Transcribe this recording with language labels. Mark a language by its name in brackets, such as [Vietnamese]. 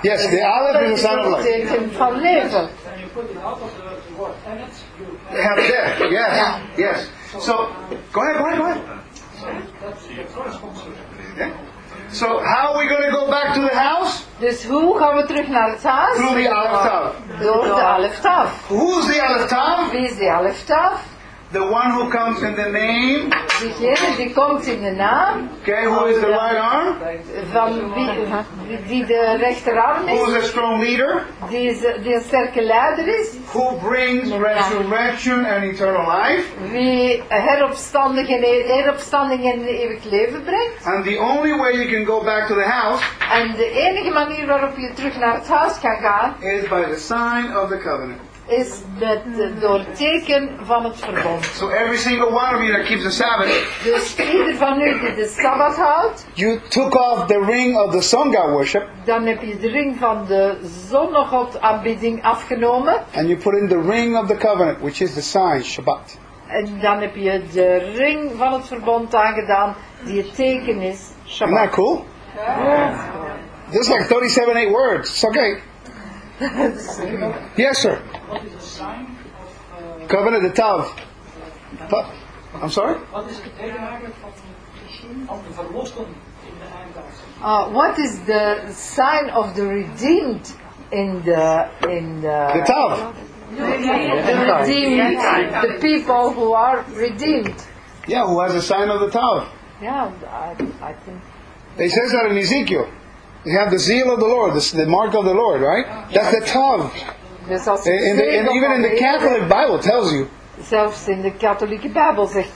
[English] Yes, the Aleph is the sign of life. [Dutch] Het teken van leven. [English] Yes. Have death. Yes. Yes. So, go ahead. So, how are we going to go back to the house? [Dutch] Dus hoe gaan we terug naar het huis? [English] Through the Aleph Tav. [Dutch] Door de Aleph Tav. [English] Who's the Aleph Tav? [Dutch] Wie is de Aleph Tav? [English] The one who comes in the name. [Dutch] Diegene die komt in de naam. [English] Okay, who is the right arm? [Dutch] Van wie de rechterarm is. [English] Who is a strong leader? [Dutch] Die een sterke leider is. [English] Who brings resurrection and eternal life? [Dutch] Wie heropstanding en eeuwig leven brengt. [English] And the only way you can go back to the house. [Dutch] En de enige manier waarop je terug naar het huis kan gaan. [English] Is by the sign of the covenant. [Dutch] Is met door het teken van het verbond. [English] So every single one of you that keeps the Sabbath. [Dutch] Dus ieder van u die de Sabbat houdt. [English] You took off the ring of the sun god worship. [Dutch] Dan heb je de ring van de zonnegod aanbidding afgenomen. [English] And you put in the ring of the covenant, which is the sign Shabbat. [Dutch] En dan heb je de ring van het verbond aangedaan, die het teken is Shabbat. [English] Isn't that cool? Yeah. This is like 37-8 words. It's okay. Yes, sir. Covenant the Tav. I'm sorry? What is the sign of the redeemed in the the Tav. The redeemed. The people who are redeemed. Yeah, who has the sign of the Tav. Yeah, I think. It says that in Ezekiel. They have the zeal of the Lord, the mark of the Lord, right? Yeah. That's the Tav. And even in the Catholic Bible tells you. [Dutch] Zelfs in de katholieke Bijbel zegt